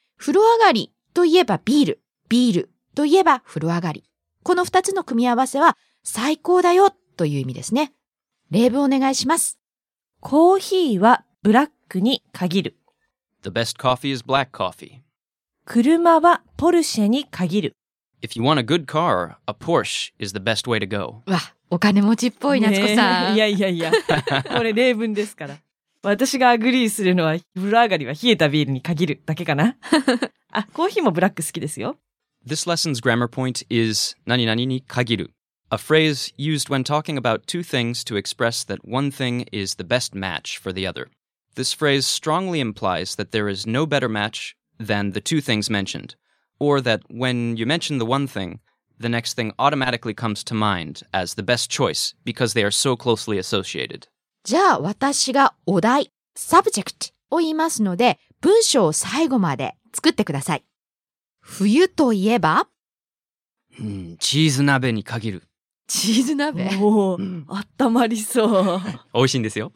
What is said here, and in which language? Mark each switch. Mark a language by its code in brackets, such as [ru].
[ja] 風呂上がりといえばビール。ビールといえば風呂上がり。この二つの組み合わせは最高だよという意味ですね。例文お願いします。コーヒーはブラックに限る。 [en] The best coffee is black coffee. [ja] 車はポルシェに限る。 [en] If you want a good car, a Porsche is the best way to go. [ja] わ。お金持ちっぽい夏子さん、ね、いやいやいやこれ例文ですから私がアグリーするのは風呂上がりは冷えたビールに限るだけかなあ、コーヒーもブラック好きですよ [en] This lesson's grammar point is 何々に限る A phrase used when talking about two things to express that one thing is the best match for the other. This phrase strongly implies that there is no better match than the two things mentioned, or that when you mention the one thing, the next thing automatically comes to mind as the best choice because they are so closely associated. [ja] じゃあ私がお題、subject を言いますので、文章を最後まで作ってください。冬といえば、チーズ鍋に限る。チーズ鍋。おお、あったまりそう。美味しいんですよ。